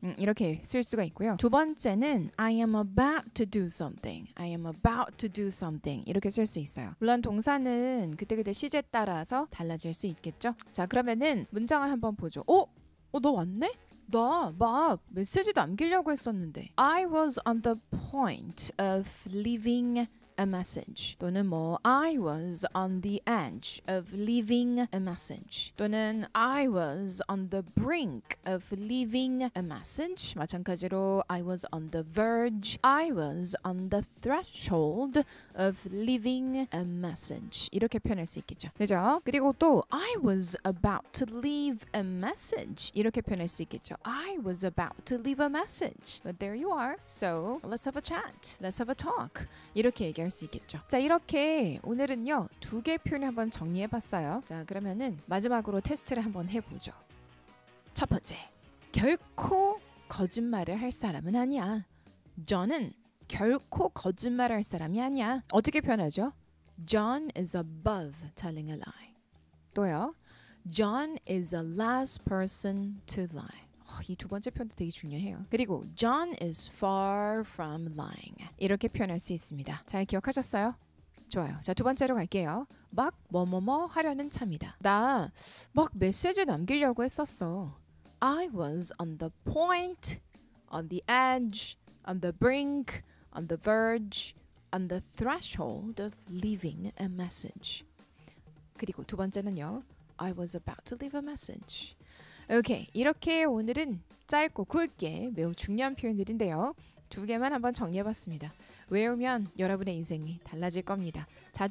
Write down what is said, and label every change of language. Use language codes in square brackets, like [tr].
[ko] 이렇게 쓸 수가 있고요. 두 번째는 [en] I am about to do something. I am about to do something. [ko] 이렇게 쓸 수 있어요. 물론 동사는 그때그때 시제 따라서 달라질 수 있겠죠. 자, 그러면은 문장을 한번 보죠. 너 왔네? 나 막 메시지 남기려고 했었는데. [en] I was on the point of leaving a message. [ko] 또는 뭐 [en] I was on the edge of leaving a message. 또는 I was on the brink of leaving a message. 마찬가지로 I was on the verge. I was on the threshold of leaving a message. [ko] 이렇게 표현할 수 있겠죠. 그죠? 그리고 또 [en] I was about to leave a message. [ko] 이렇게 표현할 수 있겠죠. [en] I was about to leave a message. But there you are. So let's have a chat. Let's have a talk. [ko] 이렇게 얘기할 수 있겠죠. 자, 이렇게 오늘은요 두 개 표현을 한번 정리해봤어요. 자, 그러면은 마지막으로 테스트를 한번 해보죠. 첫 번째, 결코 거짓말을 할 사람은 아니야. 존은 결코 거짓말을 할 사람이 아니야. 어떻게 표현하죠? [en] John is above telling a lie. [ko] 또요, [en] John is the last person to lie. [ko] 이 두 번째 표현도 되게 중요해요. [en] 그리고 John is far from lying. [ko] 이렇게 표현할 수 있습니다. 잘 기억하셨어요? 좋아요. 자, 두 번째로 갈게요. 막 뭐뭐뭐 하려는 참이다. 나 막 메시지 남기려고 했었어. [en] I was on the point, on the edge, on the brink, on the verge, on the threshold of leaving a message. [ko] 그리고 두 번째는요. [en] I was about to leave a message. [ko] 오케이, 이렇게 오늘은 짧고 굵게 매우 중요한 표현들인데요. 두 개만 한번 정리해봤습니다. 외우면 여러분의 인생이 달라질 겁니다. 자주자주 영상을 듣는 것만으로도 큰 도움이 될 테니까요. 꼭